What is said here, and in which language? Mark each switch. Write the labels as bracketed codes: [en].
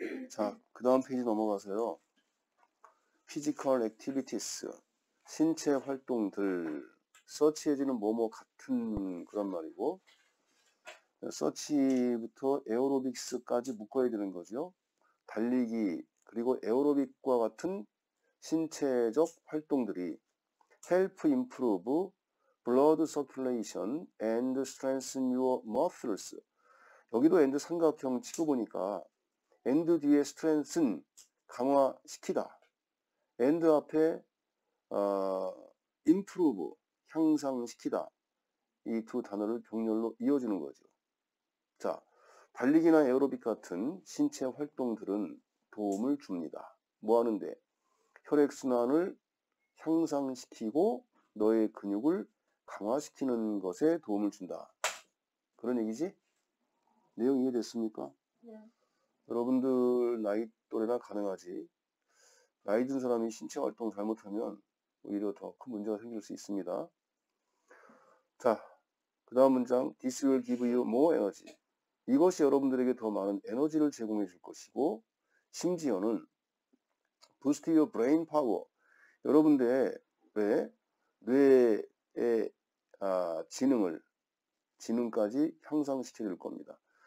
[ko] 자, 그 다음 페이지 넘어가세요. [en] Physical activities, [ko] 신체 활동들. 서치해지는 뭐뭐 같은 그런 말이고, 서치부터 에어로빅스까지 묶어야 되는 거죠. 달리기, 그리고 에어로빅과 같은 신체적 활동들이 [en] help improve blood circulation and strengthen your muscles. [ko] 여기도 and 삼각형 치고 보니까 and 뒤에 strengthen, 강화시키다. and 앞에 improve, 향상시키다. 이 두 단어를 병렬로 이어주는 거죠. 자, 달리기나 에어로빅 같은 신체 활동들은 도움을 줍니다. 뭐 하는데? 혈액순환을 향상시키고 너의 근육을 강화시키는 것에 도움을 준다. 그런 얘기지? 내용 이해됐습니까? 네. 여러분들 나이 또래가 가능하지. 나이 든 사람이 신체 활동 잘못하면 오히려 더 큰 문제가 생길 수 있습니다. 자, 그 다음 문장, [en] This will give you more energy. [ko] 이것이 여러분들에게 더 많은 에너지를 제공해 줄 것이고, 심지어는 [en] Boost your brain power. [ko] 여러분들의 왜 뇌의 지능을, 지능까지 향상시켜 줄 겁니다.